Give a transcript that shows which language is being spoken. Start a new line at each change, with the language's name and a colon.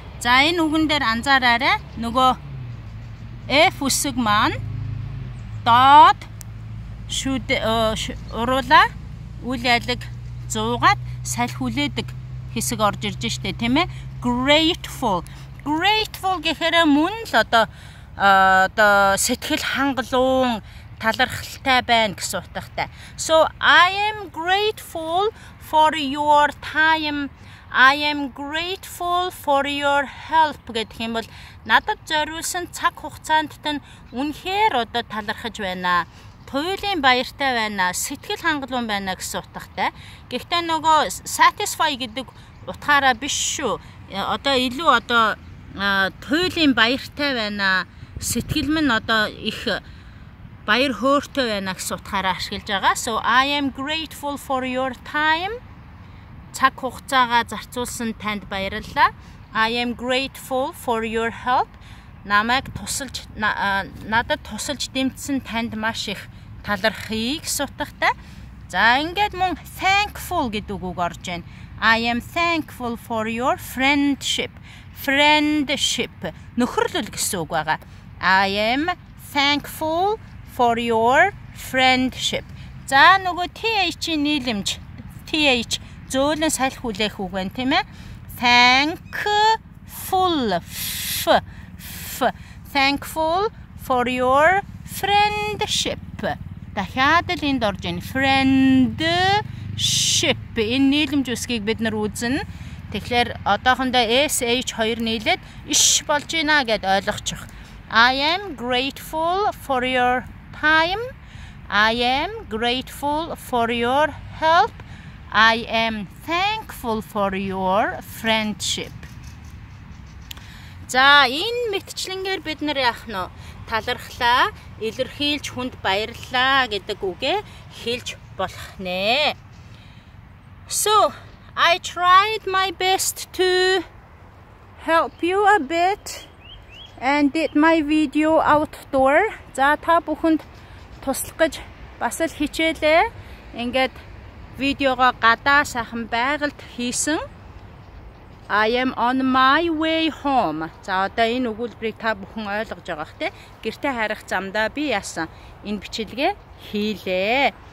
Mongolian: За, энэ үгэн дээр анзаараарай. Нөгөө F үсэг маань доод шүд уруулаа үйл ялг зуугаад салхи хүлээдэг хэсэг орж ирж штэ, тийм ээ? Grateful. grateful 게헤라 мөн л одоо одоо сэтгэл хангалуун талархалтай байна гэсэн утгатай.
English: So I am grateful for your time.
Mongolian: I am grateful for your help гэдэг юм бол надад зориулсан цаг хугацаанд тань үнэхээр одоо талархаж байна. Туйлын баяртай байна. Сэтгэл хангалуун байна гэсэн утгатай. Гэхдээ нөгөө satisfy гэдэг утгаараа биш шүү. Одоо илүү одоо туйлын баяртай байна. Сэтгэл минь одоо их баяр хөөртэй байна гэсэн утгаараа ашиглаж байгаа.
English: So I am grateful for your time.
Mongolian: Цаг хугацаагаа зарцуулсан танд баярлалаа.
English: I am grateful for your help.
Mongolian: Намайг тусалж надад тусалж дэмжсэн танд маш их талархъя гэсэн утгатай. За ингээд мөн thankful гэдэг үг орж байна.
English: I am thankful for your friendship.
Mongolian: Friendship нөхөрлөл гэсэн үг байгаа.
English: I am thankful for your friendship.
Mongolian: За нөгөө th-ийн нийлэмж th зөөлөн салхи хүлээх үг байна тийм ээ.
English: Thankful thankful for your friendship.
Mongolian: Дахиад л энд орж ийн friendship энэ нийлэмж үсгийг бид нар үзнэ. Тэгэхээр одоохондоо sh 2 нийлээд ish болж байна гэд ойлгочих.
English: I am grateful for your time. I am grateful for your help. I am thankful for your friendship.
Mongolian: За энэ мэтчлэнгээр бид нар яах нь талархлаа, илэрхийлж хүнд баярлалаа гэдэг үгэ хэлж болох нэ.
English: So, I tried my best to help you a bit and did my video outdoor.
Mongolian: За та бүхэнд туслах гэж бас л хичээлээ. Ингээд видеого гадаа сайхан байгальд хийсэн.
English: I am on my way home.
Mongolian: За одоо энэ өгүүлбэрийг та бүхэн ойлгож байгаа хте. Гэртэ харах замдаа би яасан энэ бичлэгээ хийлээ.